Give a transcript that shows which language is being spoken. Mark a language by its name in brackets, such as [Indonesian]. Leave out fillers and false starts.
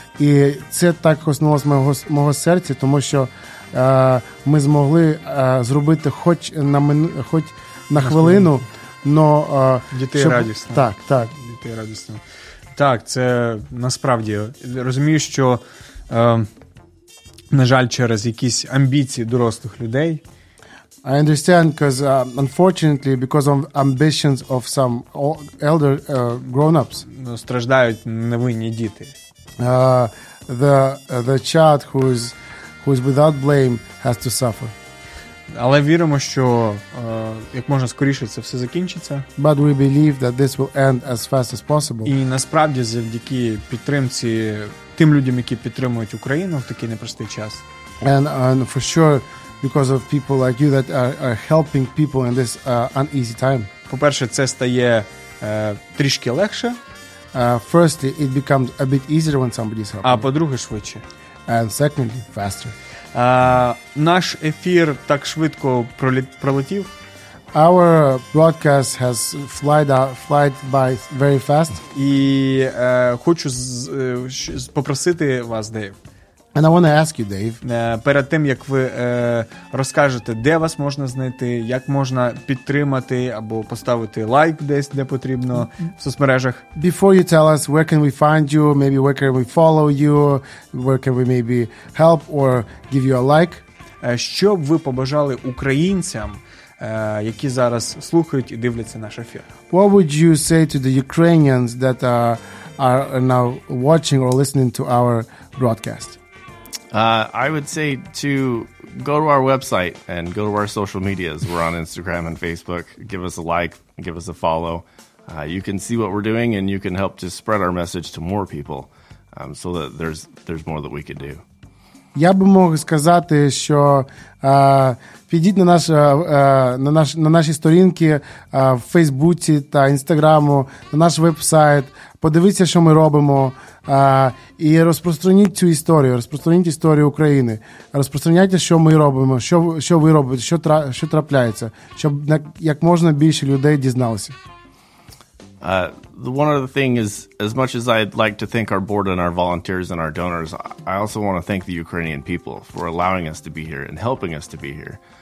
[Ukrainian] І це так коснулося мого серця, тому що ми змогли зробити хоч на хвилину, але... Дітей радісно. Так. Дітей радісно. Так, це насправді. Розумію, що, на жаль, через якісь амбіції дорослих людей... [English] I understand, because unfortunately, because of ambitions of some elder grown-ups, [Ukrainian] страждають невинні діти. [English] The child who is without blame has to suffer. [Ukrainian] Але віримо, що як можна скоріше це все закінчиться. [English] But we believe that this will end as fast as possible. [Ukrainian] І насправді завдяки підтримці тим людям, які підтримують Україну в такий непростий час. [English] And for sure. Because of people like you that are helping people in this uneasy time. [Ukrainian] По-перше, це стає трішки легше. [English] Firstly, it becomes a bit easier when somebody's helping. [Ukrainian] А по-друге, швидше. [English] And secondly, faster. [Ukrainian] Наш ефір так швидко пролетів. [English] Our broadcast has flied by very fast. [Ukrainian] І хочу попросити вас, Дейв. [English] And I want to ask you, Dave. [Ukrainian] Перед тим, як ви розкажете, де вас можна знайти, як можна підтримати або поставити лайк десь, де потрібно, в соцмережах. [English] Before you tell us, where can we find you, maybe where can we follow you, where can we maybe help or give you a like. [Ukrainian] Що б ви побажали українцям, які зараз слухають і дивляться наш ефір? [English] What would you say to the Ukrainians that are now watching or listening to our broadcast? I would say to go to our website and go to our social medias. We're on Instagram and Facebook. Give us a like, give us a follow. You can see what we're doing and you can help to spread our message to more people so that there's more that we could do. [Ukrainian] Я би мог сказати, що підіть на наші сторінки в Фейсбуці та Інстаграму, на наш веб-сайт, подивіться, що ми робимо, і розпространіть цю історію, розпространіть історію України, розпространяйте, що ми робимо, що ви робите, що трапляється, щоб як можна більше людей дізналося. [English] One other thing is, as much as I'd like to thank our board and our volunteers and our donors, I also want to thank the Ukrainian people for allowing us to be here and helping us to be here.